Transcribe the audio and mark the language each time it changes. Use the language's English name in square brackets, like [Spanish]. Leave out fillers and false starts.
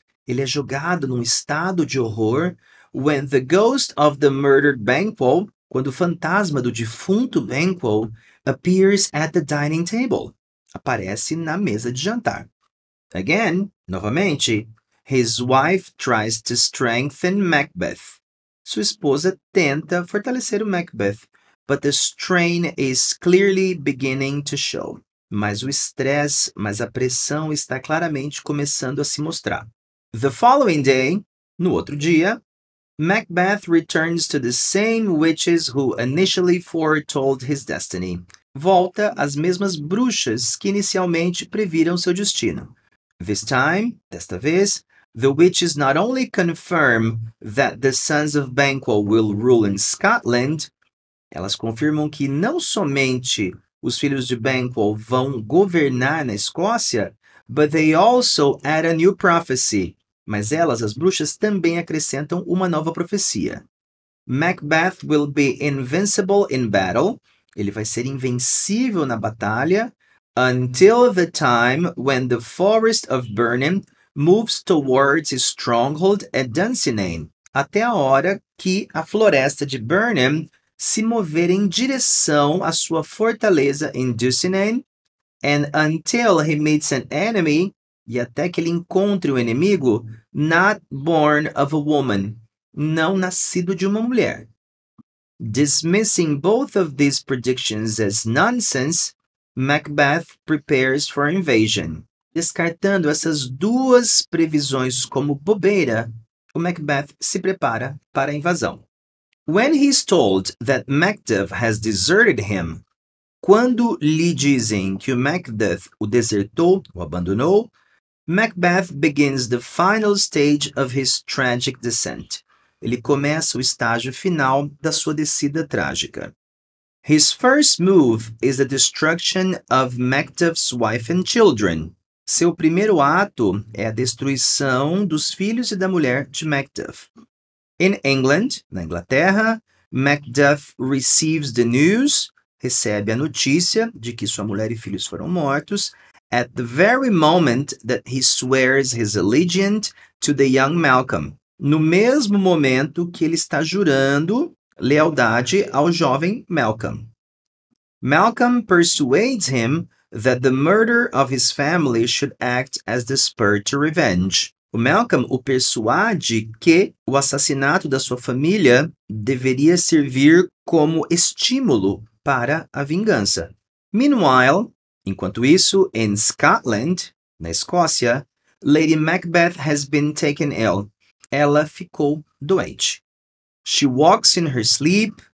[Portuguese] Ele é jogado num estado de horror [English] when the ghost of the murdered Banquo, [Portuguese] quando o fantasma do defunto Banquo [English] appears at the dining table, [Portuguese] aparece na mesa de jantar. [English] Again, [Portuguese] novamente, [English] his wife tries to strengthen Macbeth. [Portuguese] Sua esposa tenta fortalecer o Macbeth, [English] but the strain is clearly beginning to show. [Portuguese] Mas o estresse, mas a pressão está claramente começando a se mostrar. [English] The following day, no outro dia, Macbeth returns to the same witches who initially foretold his destiny. [Portuguese] Volta às mesmas bruxas que inicialmente previram seu destino. [English] This time, [Portuguese] desta vez, [English] the witches not only confirm that the sons of Banquo will rule in Scotland, [Portuguese] elas confirmam que não somente os filhos de Banquo vão governar na Escócia, [English] but they also add a new prophecy. [Portuguese] Mas elas, as bruxas, também acrescentam uma nova profecia. [English] Macbeth will be invincible in battle. [Portuguese] Ele vai ser invencível na batalha. [English] Until the time when the forest of Birnam moves towards his stronghold at Dunsinane. [Portuguese] Até a hora que a floresta de Birnam se mover em direção à sua fortaleza em Dunsinane. [English] And until he meets an enemy. [Portuguese] E até que ele encontre um inimigo, [English] not born of a woman, [Portuguese] não nascido de uma mulher. [English] Dismissing both of these predictions as nonsense, Macbeth prepares for invasion. [Portuguese] Descartando essas duas previsões como bobeira, o Macbeth se prepara para a invasão. [English] When he is told that Macduff has deserted him, [Portuguese] quando lhe dizem que o Macduff o desertou, o abandonou, [English] Macbeth begins the final stage of his tragic descent. [Portuguese] Ele começa o estágio final da sua descida trágica. [English] His first move is the destruction of Macduff's wife and children. [Portuguese] Seu primeiro ato é a destruição dos filhos e da mulher de Macduff. [English] In England, [Portuguese] na Inglaterra, [English] Macduff receives the news, [Portuguese] recebe a notícia de que sua mulher e filhos foram mortos, [English] at the very moment that he swears his allegiance to the young Malcolm. [Portuguese] No mesmo momento que ele está jurando lealdade ao jovem Malcolm. [English] Malcolm persuades him that the murder of his family should act as the spur to revenge. [Portuguese] O Malcolm o persuade que o assassinato da sua família deveria servir como estímulo para a vingança. [English] Meanwhile, [Portuguese] enquanto isso, [English] in Scotland, [Portuguese] na Escócia, [English] Lady Macbeth has been taken ill. [Portuguese] Ela ficou doente. [English] She walks in her sleep,